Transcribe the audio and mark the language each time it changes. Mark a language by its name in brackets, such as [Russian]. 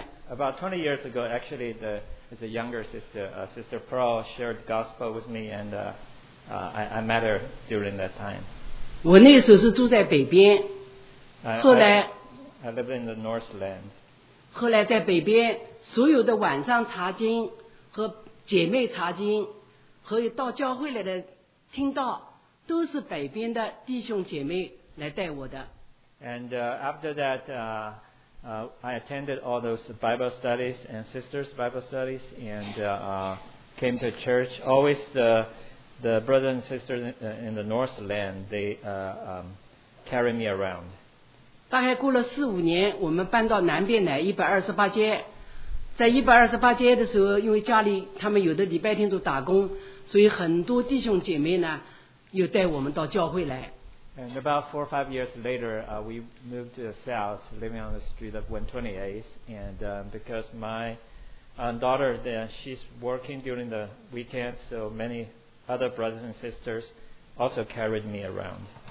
[English] About 20 years ago, actually, the younger sister, Sister Pearl, shared the gospel with me, and I met her during that time. [Chinese] 我那时候是住在北边，后来 [English] I lived in the Northland. [Chinese] 后来在北边，所有的晚上查经和姐妹查经，和到教会来的听道，都是北边的弟兄姐妹来带我的。 [English] And after that, I attended all those Bible studies and sisters' Bible studies and came to church. Always the brothers and sisters in the Northland, they carry me around. [Chinese] 大概过了四五年，我们搬到南边来，一百二十八街。在一百二十八街的时候，因为家里他们有的礼拜天都打工，所以很多弟兄姐妹呢，又带我们到教会来。 [English] And about 4 or 5 years later, we moved to the south, living on the street of 128th. And because my daughter, she's working during the weekend, so many other brothers and sisters also carried me around.